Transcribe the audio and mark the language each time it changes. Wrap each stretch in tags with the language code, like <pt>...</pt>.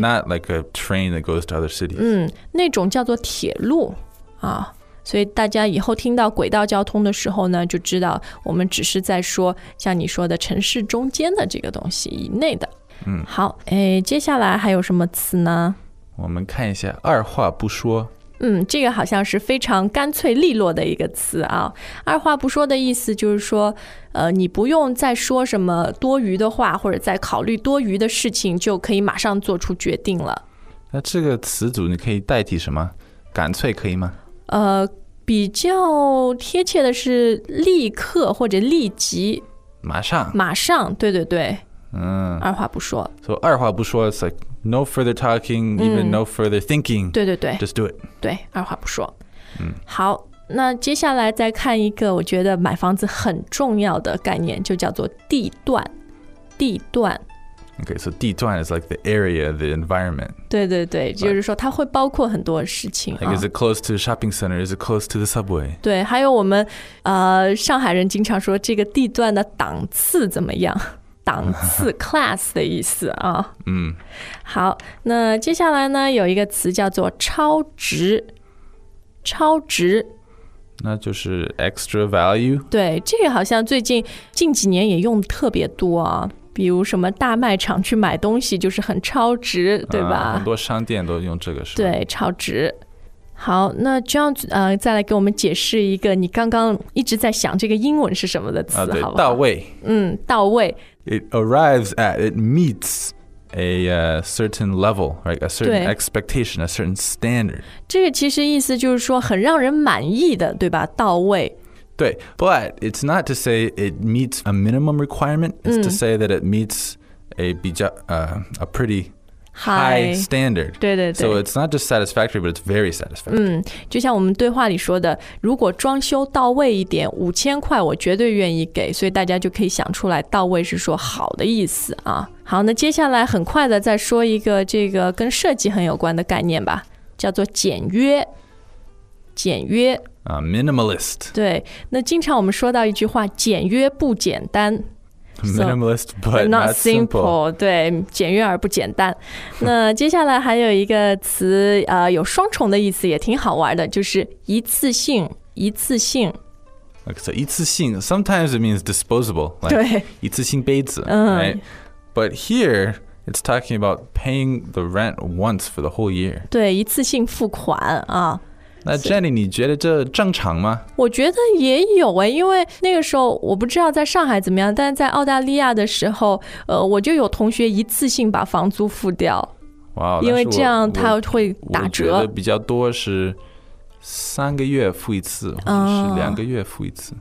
<en>not like a train that goes to other cities.</en> <zh>那种叫做铁路啊。所以大家以后听到轨道交通的时候呢，就知道我们只是在说像你说的城市中间的这个东西以内的。好，接下来还有什么词呢？我们看一下，二话不说。这个好像是非常干脆利落的一个词啊。二话不说的意思就是说你不用再说什么多余的话，或者再考虑多余的事情，就可以马上做出决定了。那这个词组你可以代替什么？干脆可以吗？比较贴切的是立刻或者立即。马上。马上，对对对。二话不说。</zh> <en>So, 二话不说 it's like no further talking, even no further thinking.</en> <zh>对对对。</zh> <en>Just do it.</en> <zh>对，二话不说。好，那接下来再看一个我觉得买房子很重要的概念，就叫做地段。地段。</zh> <en>Okay, so 地段 is like the area, the environment.</en> <zh>对对对，就是说它会包括很多事情。</zh> <en>Like, is it close to the shopping center? Is it close to the subway?</en> <zh>对，还有我们上海人经常说这个地段的档次怎么样。档次 class 的意思啊。嗯。好，那接下来呢有一个词叫做超值。超值。那就是</zh> <en>extra value?</en> <zh>对，这个好像最近几年也用特别多啊。比如什么大卖场去买东西就是很超值，对吧？很多商店都用这个，是吧？对，超值。好，那这样子再来给我们解释一个你刚刚一直在想这个英文是什么的词，对，好不好？到位。嗯，到位。</zh> <en>It arrives at, it meets a certain level, right? A certain expectation, a certain standard.</en> <zh>这个其实意思就是说很让人满意的，对吧？到位。</zh> <en>对， but it's not to say it meets a minimum requirement. It's to say that it meets a pretty high standard. 对对对。 So it's not just satisfactory, but it's very satisfactory.</en> <zh>嗯，就像我们对话里说的，如果装修到位一点，5000块我绝对愿意给。所以大家就可以想出来，到位是说好的意思啊。好，那接下来很快的再说一个这个跟设计很有关的概念吧，叫做简约。简约。</zh> <en>Minimalist.</en> <zh>对，那经常我们说到一句话，简约不简单。</zh> <en>Minimalist, but not simple.</en> <zh>对，简约而不简单。那接下来还有一个词，有双重的意思，也挺好玩的，就是一次性，一次性。</zh> <en>Okay, so 一次性 sometimes it means disposable, like</en> <zh>对，一次性杯子，right?</zh> <en>But here it's talking about paying the rent once for the whole year.</en> <zh>对，一次性付款啊。那 Jenny 你觉得这正常吗？我觉得也有，因为那个时候我不知道在上海怎么样，但在澳大利亚的时候我就有同学一次性把房租付掉。哇，因为这样他会打折。我觉得比较多是3个月付一次，或者是2个月付一次。</zh>